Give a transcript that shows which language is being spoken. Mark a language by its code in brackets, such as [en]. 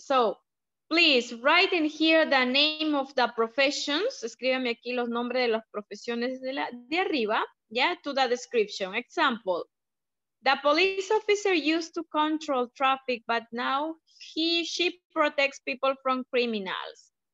[en] So, please write in here the name of the professions. [es] Escríbeme aquí los nombres de las profesiones de arriba. [en] Yeah, to the description. Example. The police officer used to control traffic, but now she protects people from criminals.